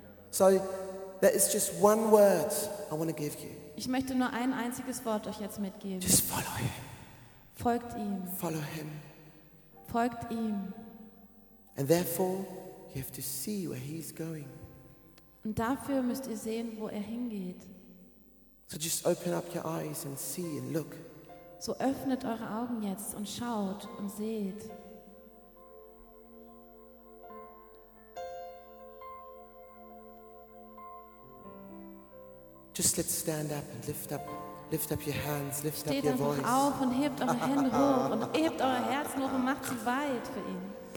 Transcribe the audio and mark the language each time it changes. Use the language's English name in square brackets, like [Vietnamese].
[English] So, that is just one word I want to give you. [German] Ich möchte nur ein einziges Wort euch jetzt mitgeben. [English] Just follow him. [German] Folgt ihm. [English] Follow him. [German] Folgt ihm. [English] And therefore, you have to see where he's going. [German] Und dafür müsst ihr sehen, wo er hingeht. [English] So just open up your eyes and see and look. [German] So öffnet eure Augen jetzt und schaut und seht. [English] Just let's stand up and lift up your hands, lift [German] Steht [English] up your voice. [German] Steht auf und hebt eure Hände hoch und hebt euer Herz hoch und macht sie weit für ihn.